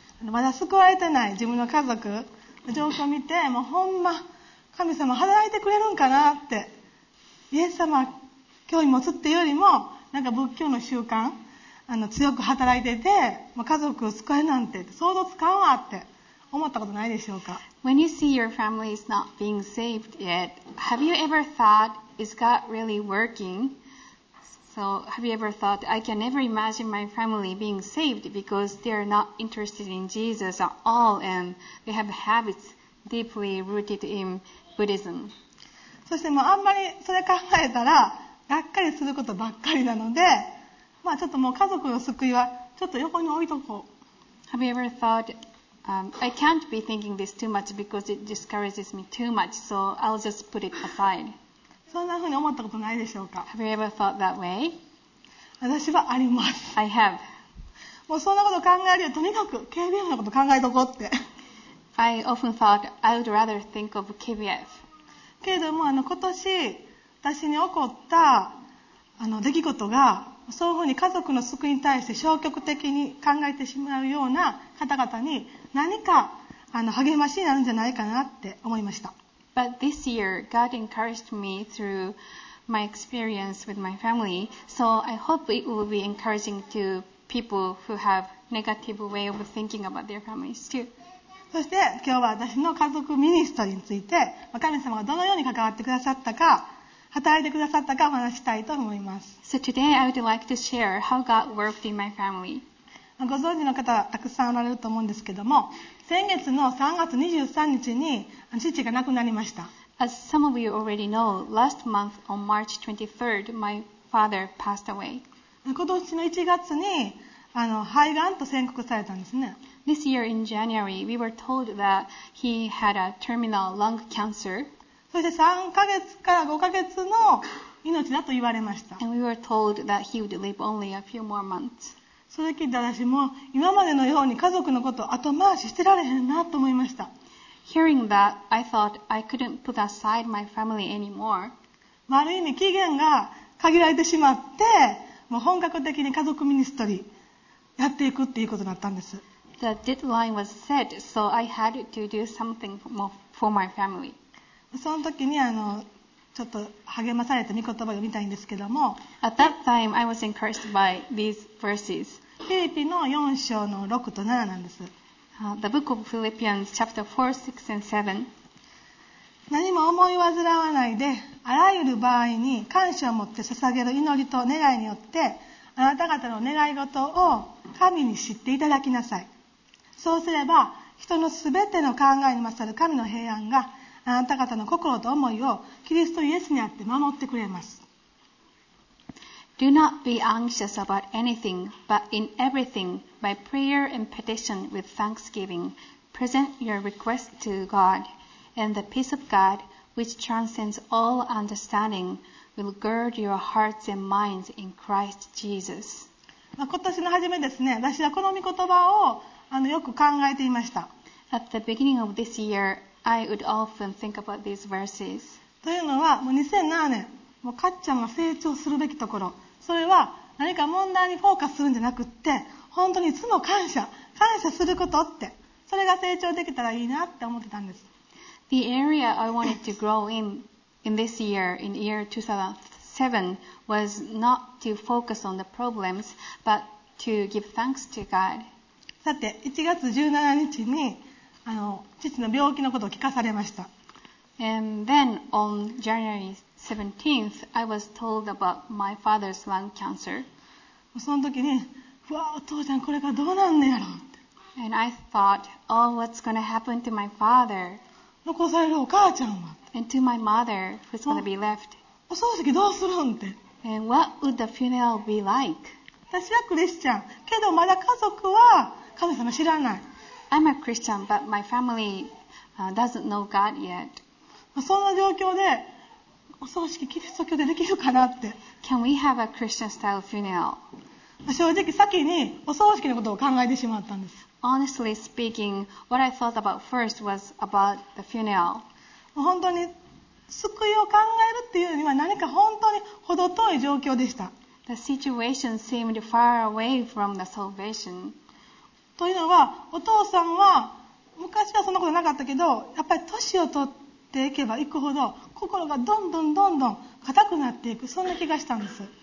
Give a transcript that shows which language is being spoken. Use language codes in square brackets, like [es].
[ja] まだ救われてない自分の家族の状況を見てもうほんま神様働いてくれるんかなってイエス様興味持つっていうよりもなんか仏教の習慣強く働いてて家族を救えなんて想像つかんわって思ったことないでしょうか [en] When you see your family is not being saved yet, have you ever thoughtIs God really working? So have you ever thought, I can never imagine my family being saved because they are not interested in Jesus at all and they have habits deeply rooted in Buddhism. [ja] そしてもうあんまりそれ考えたらがっかりすることばっかりなので、まあ、ちょっともう家族の救いはちょっと横に置いとこう。 [en] Have you ever thought, I can't be thinking this too much because it discourages me too much, so I'll just put it aside. [ja] そんなふうに思ったことないでしょうか [en] Have you ever thought that way? [ja] 私はあります [en] I have. [ja] もうそんなこと考えるよとにかく KBF のこと考えとこうって [en] I often thought I would rather think of KBF [ja] けれども今年私に起こった出来事がそういうふうに家族の救いに対して消極的に考えてしまうような方々に何か励ましになるんじゃないかなって思いました [en] But this year, God encouraged me through my experience with my family, so I hope it will be encouraging to people who have negative way of thinking about their families too. [ja] そして今日は私の家族ミニストリーについて、神様がどのように関わってくださったか、働いてくださったかお話したいと思います。 [en] So today I would like to share how God worked in my family. [ja] ご存知の方たくさんおられると思うんですけども先月の3月23日に父が亡くなりました [en] As some of you already know, last month on March 23rd, my father passed away. [ja] 今年の1月に肺がんと宣告されたんですね。 [en] This year in January, we were told that he had a terminal lung cancer. [ja] そして3ヶ月から5ヶ月の命だと言われました。 [en] And we were told that he would live only a few more months. [ja] それ聞いて私も今までのように家族のことを後回ししてられへんなと思いました。 [en] Hearing that, I thought I couldn't put aside my family anymore. [ja] ある意味期限が限られてしまって、もう本格的に家族ミニストリーやっていくっていうことになったんです。 [en] The deadline was set, so I had to do something for my family. [ja] その時にちょっと励まされた御言葉を読みたいんですけども。 [en] At that time, I was encouraged by these verses. [ja] フィリピの4章の6と7なんです。 [en] The book of Philippians, chapter 4, 6 and 7. [ja] 何も思い煩わないで、あらゆる場合に感謝を持って捧げる祈りと願いによって、あなた方の願い事を神に知っていただきなさい。そうすれば、人のすべての考えに勝る神の平安が、あなた方の心と思いをキリストイエスにあって守ってくれます。 [en] Do not be anxious about anything, but in everything, by prayer and petition with thanksgiving, present your request to God, and the peace of God, which transcends all understanding, will guard your hearts and minds in Christ Jesus. [ja] 今年の初めですね、私はこの御言葉をよく考えていました。 [en] At the beginning of this year,I would often think about these verses. [ja] というのは、もう2007年、もうかっちゃんが成長するべきところ、それは何か問題にフォーカスするんじゃなくって、本当にいつも感謝することって、それが成長できたらいいなって思ってたんです。 [en] The area I wanted to grow in this year, in year 2007, was not to focus on the problems, but to give thanks to God. [ja] さて、1月17日に、父の病気のことを聞かされました。 [en] And then on January 17th, I was told about my father's lung cancer. [ja] その時に、わあ、お父ちゃんこれからどうなんねやろって。 [en] And I thought, oh, what's going to happen to my father? [ja] 残されるお母ちゃんは。 [en] And to my mother, who's going to be left? [ja] お葬式どうするんって。 [en] And what would the funeral be like? [ja] 私はクリスチャン。けどまだ家族は神様知らない。 [en] I'm a Christian, but my family doesn't know God yet. [ja] そんな状況でお葬式キリスト教でできるかなって。 [en] Can we have a Christian style funeral? [ja] 正直先にお葬式のことを考えてしまったんです。 [en] Honestly speaking, what I thought about first was about the funeral. [ja] 本当に救いを考えるっていうのには何か本当に程遠い状況でした。 [en] The situation seemed far away from the salvation. [ja] というのは、お父さんは昔はそんなことなかったけど、やっぱり年を取っていけばいくほど心がどんどんどんどん硬くなっていく、そんな気がしたんです。